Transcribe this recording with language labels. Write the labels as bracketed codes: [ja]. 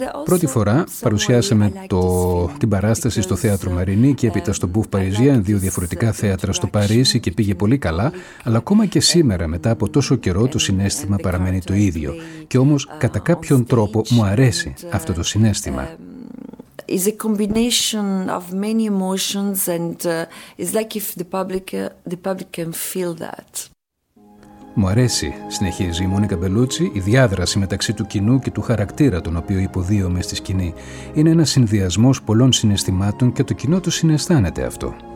[el] also, πρώτη φορά παρουσιάσαμε την παράσταση στο θέατρο Μαρινί και έπειτα στο Μπουφ Παριζιάν, δύο διαφορετικά θέατρα στο Παρίσι, και πήγε πολύ καλά, αλλά ακόμα και σήμερα, μετά από τόσο καιρό, το συνέστημα παραμένει το ίδιο. Και όμως, κατά κάποιον τρόπο, μου αρέσει αυτό το συνέστημα. [en] Is a combination of many emotions and it's like if the public can feel that. [el] Μου αρέσει, συνεχίζει η Μόνικα Μπελούτσι, η διάδραση μεταξύ του κοινού και του χαρακτήρα τον οποίο υποδίωμαι στη σκηνή. Είναι ένας συνδυασμός πολλών συναισθημάτων και το κοινό το συναισθάνεται αυτό.